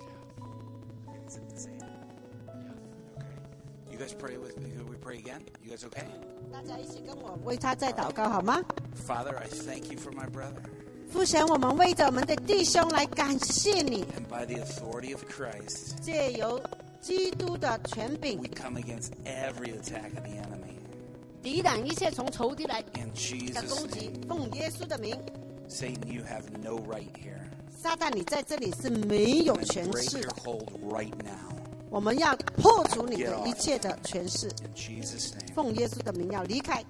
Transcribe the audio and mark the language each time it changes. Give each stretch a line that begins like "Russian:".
English: Yeah. Is it the same? Yeah. Okay. You guys pray with me. Can we pray again? You guys okay?
Chinese: 大家一起跟我为他再祷告好吗？
English: Father, I thank you for my brother.
Chinese: 父神，我们为着我们的弟兄来感谢你。
English: And by the authority of Christ,
Chinese: 借由基督的权柄，
English: we come against every attack of the enemy.
Chinese: 抵挡一切从仇敌来的攻击。
English: In Jesus' name,
Chinese: 奉耶稣的名。
English: Satan, you have no right here.
Chinese: 撒旦，你在这里是没有权势。
English: Break your hold right now.
Chinese: 我们要破除你的一切的权势。
English: In Jesus' name.
Chinese: 奉耶稣的名要离开。